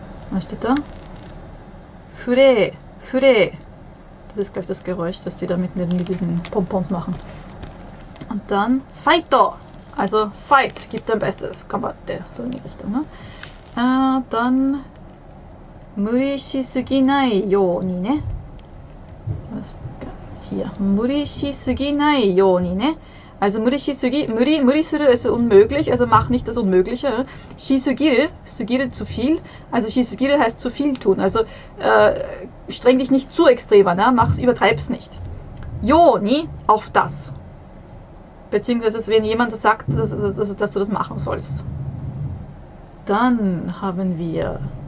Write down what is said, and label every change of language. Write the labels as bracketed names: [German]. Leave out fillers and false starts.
[German] Was steht da? [Japanese] フレー、フレー. [German] Das ist gleich das Geräusch, das die da mit diesen Pompons machen. Und dann, Fighter! Also, fight, gib dein Bestes. Komm, warte, so in die Richtung. Ne? Dann. [Japanese] 無理しすぎないようにね。 [German] Hier. [Japanese] 無理しすぎないようにね。 [German] Also, 無理しすぎ、無理する ist unmöglich, also mach nicht das Unmögliche. [Japanese] しすぎる、すぎる zu viel. [German] Also, しすぎる heißt zu viel tun. Also, streng dich nicht zu extremer, ne? Mach's, übertreib's nicht. Joni, auf das. Beziehungsweise, wenn jemand das sagt, dass du das machen sollst. Dann haben wir.